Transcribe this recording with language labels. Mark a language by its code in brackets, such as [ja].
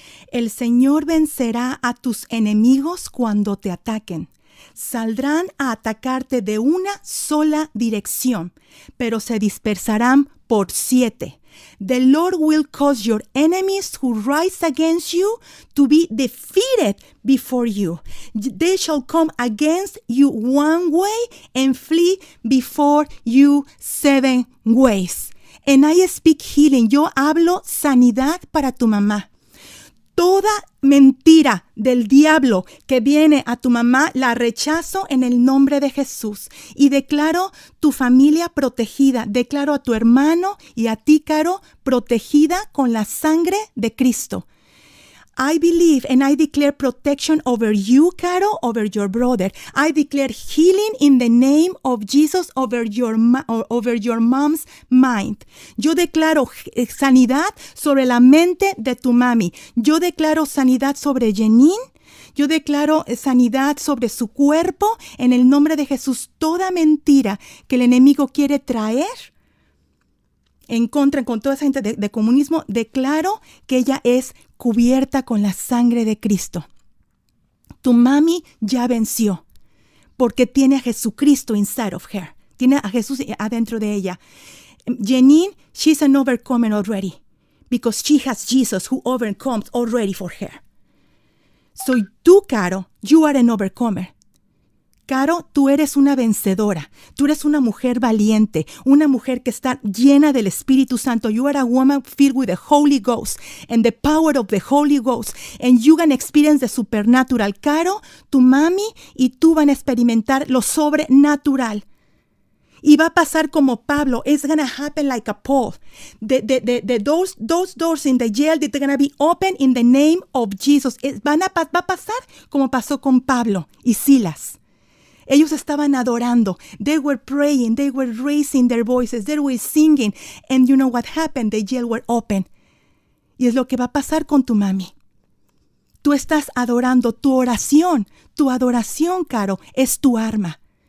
[es] El Señor vencerá a tus enemigos cuando te ataquen. Saldrán a atacarte de una sola dirección, pero se dispersarán por siete. [en] The Lord will cause your enemies who rise against you to be defeated before you. They shall come against you one way and flee before you seven ways. And I speak healing. [es] Yo hablo sanidad para tu mamá. Toda mentira del diablo que viene a tu mamá, la rechazo en el nombre de Jesús. Y declaro tu familia protegida. Declaro a tu hermano y a ti, Caro, protegida con la sangre de Cristo. [en] I believe and I declare protection over you, Caro, over your brother. I declare healing in the name of Jesus over your mom's mind. [es] Yo declaro sanidad sobre la mente de tu mami. Yo declaro sanidad sobre Janine. Yo declaro sanidad sobre su cuerpo en el nombre de Jesús. Toda mentira que el enemigo quiere traer en contra con toda esa gente de comunismo, declaro que ella es cubierta con la sangre de Cristo. Tu mami ya venció porque tiene a Jesucristo [en] inside of her. [es] Tiene a Jesús adentro de ella. [en] Janine, she's an overcomer already because she has Jesus who overcomes already for her. So [es] tú, [en] Caro, you are an overcomer. Caro, [es] tú eres una vencedora. Tú eres una mujer valiente, una mujer que está llena del Espíritu Santo. [en] You are a woman filled with the Holy Ghost and the power of the Holy Ghost. And you can experience the supernatural. [es] Caro, tu mami y tú van a experimentar lo sobrenatural. Y va a pasar como Pablo. [en] It's going to happen like a Paul. Those doors in the jail, they're going to be open in the name of Jesus. [es] Va a pasar como pasó con Pablo y Silas. Ellos estaban adorando. [en] They were praying. They were raising their voices. They were singing. And you know what happened? The jail were open. [es] Y es lo que va a pasar con tu mami. Tú estás adorando, tu oración, Caro, es tu arma.